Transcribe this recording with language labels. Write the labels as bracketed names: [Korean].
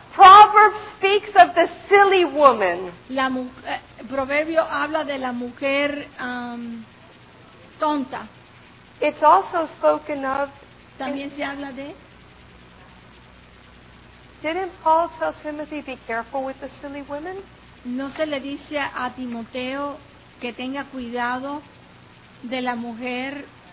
[English] Proverbs speaks of the silly woman. [Spanish] La proverbio habla de la mujer tonta. [English] It's also spoken of. [Spanish] También se habla de. [English] Didn't Paul tell Timothy be careful with the silly women? [Spanish] ¿No se le dice a Timoteo que tenga cuidado de la mujer?